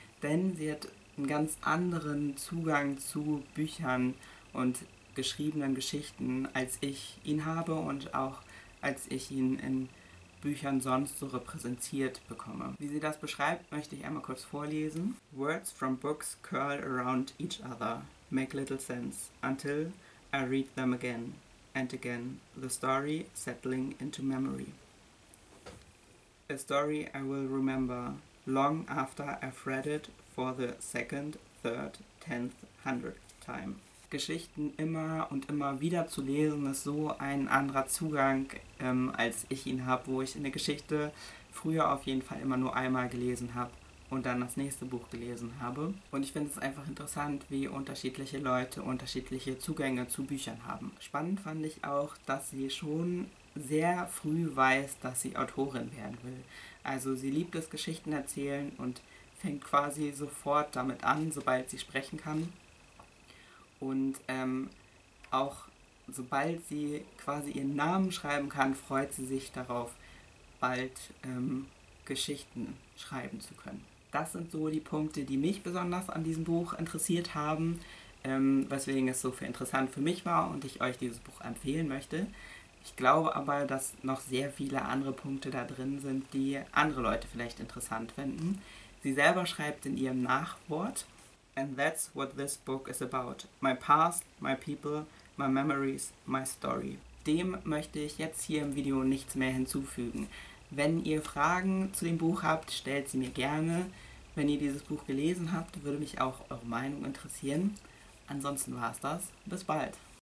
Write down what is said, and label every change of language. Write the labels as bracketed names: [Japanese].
[German] Denn sie hat einen ganz anderen Zugang zu Büchern und geschriebenen Geschichten, als ich ihn habe und auch als ich ihn in Büchern sonst so repräsentiert bekomme. Wie sie das beschreibt, möchte ich einmal kurz vorlesen. [English] Words from books curl around each other, make little sense, until I read them again and again, the story settling into memory. A story I will remember long after I've read it for the second, third, tenth, hundredth time. [German] Geschichten immer und immer wieder zu lesen, ist so ein anderer Zugang, als ich ihn habe, wo ich eine Geschichte früher auf jeden Fall immer nur einmal gelesen habe und dann das nächste Buch gelesen habe. Und ich finde es einfach interessant, wie unterschiedliche Leute unterschiedliche Zugänge zu Büchern haben. Spannend fand ich auch, dass sie schon sehr früh weiß, dass sie Autorin werden will. Also sie liebt es, Geschichten erzählen und fängt quasi sofort damit an, sobald sie sprechen kann. Und auch sobald sie quasi ihren Namen schreiben kann, freut sie sich darauf, bald Geschichten schreiben zu können. Das sind so die Punkte, die mich besonders an diesem Buch interessiert haben, weswegen es so viel interessant für mich war und ich euch dieses Buch empfehlen möchte. Ich glaube aber, dass noch sehr viele andere Punkte da drin sind, die andere Leute vielleicht interessant finden. Sie selber schreibt in ihrem Nachwort: [English] And that's what this book is about. My past, my people, my memories, my story. [German] Dem möchte ich jetzt hier im Video nichts mehr hinzufügen. Wenn ihr Fragen zu dem Buch habt, stellt sie mir gerne. Wenn ihr dieses Buch gelesen habt, würde mich auch eure Meinung interessieren. Ansonsten war es das. Bis bald.